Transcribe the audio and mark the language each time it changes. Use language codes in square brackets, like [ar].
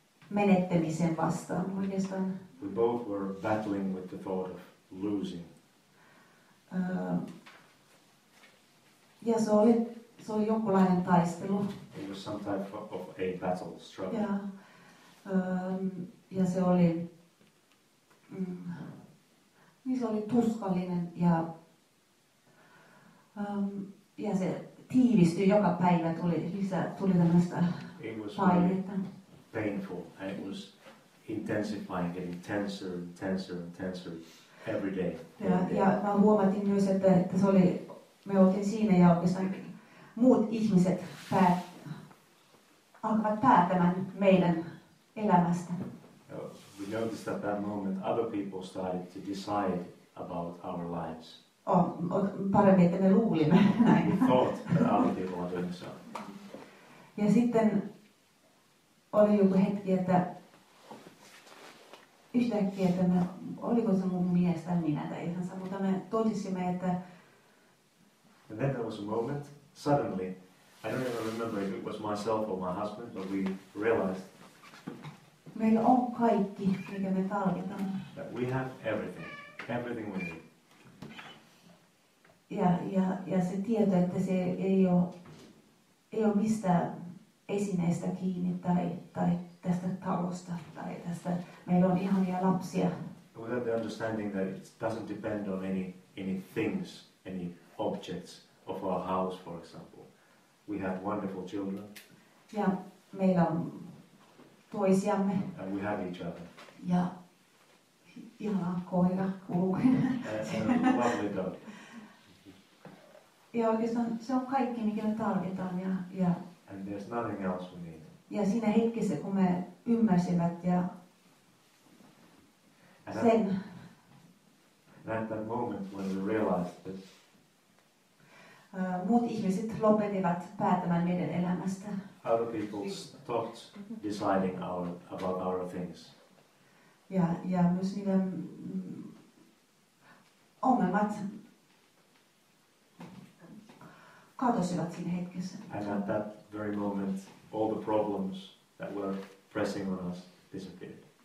[fi] menettämisen vastaan oikeastaan. [en] We both were battling with the thought of losing. [fi] Ja se oli jonkunlainen taistelu. [en] It was some type of a battle struggle. [fi] Ja, ja se oli niin se oli tuskallinen ja se tiivistyi joka päivä tuli tämmöistä painetta. [en] Painful and it was intensifying, getting tenser and tenser and tenser every day. [fi] Ja mä huomasin myös, että se oli, me oltiin siinä ja oikeastaan muut ihmiset alkavat päättämään meidän elämästä. [en] We noticed at that moment other people started to decide about our lives. [fi] Paremmin, että me luulimme näin. [en] We thought that other people are doing so. [fi] Ja sitten oli joku hetki, että yhtäkkiä, että me, oliko se mun mies tai minä tai ihan sama, mutta me totisimme, että... [en] And then there was a moment, suddenly, I don't even remember if it was myself or my husband, but we realized... [fi] Meillä on kaikki, mikä me tarvitaan. [en] That we have everything, everything we need. [fi] Ja se tieto, että se ei ole mistään esineestä kiinni tai tästä talosta tai tästä meillä on ihania lapsia. [en] Without the understanding that it doesn't depend on any things, any objects of our house, for example. We have wonderful children. [fi] Ja meillä on toisiamme. [en] And we have each other. [fi] Ja ihana koira [en] kulkee. Lovely dog. [fi] Ja oikeastaan se on kaikki, mikä tarvitaan ja [en] and there's nothing else we need. [fi] Ja siinä hetkessä, kun me ymmärsimme ja sen. [en] And at that moment when we realized that [fi] muut ihmiset lopetivat päättämään meidän elämästä. [en] Other people stopped deciding about our things. [fi] Ja myös niiden ongelmat katosivat siinä hetkessä. [en] And at that very moment, all the problems that were pressing on us disappeared.